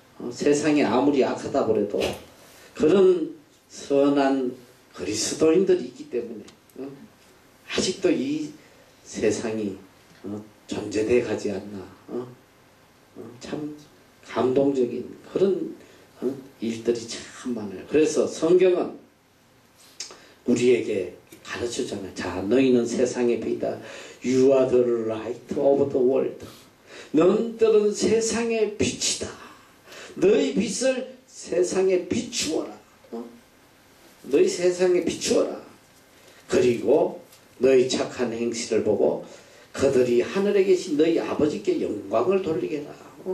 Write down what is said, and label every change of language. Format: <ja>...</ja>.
<ko>세상이 아무리 악하다 그래도 그런 선한 그리스도인들이 있기 때문에 아직도 이 세상이 존재되어 가지 않나. 참 감동적인 그런 일들이 참 많아요. 그래서 성경은 우리에게 가르쳐주잖아요. 자, 너희는 세상의 빛이다.</ko> <en>You are the light of the world.</en> <ko>너희들은 세상의 빛이다. 너희 빛을 세상에 비추어라. 너희 세상에 비추어라. 그리고 너희 착한 행실을 보고 그들이 하늘에 계신 너희 아버지께 영광을 돌리게라.</ko>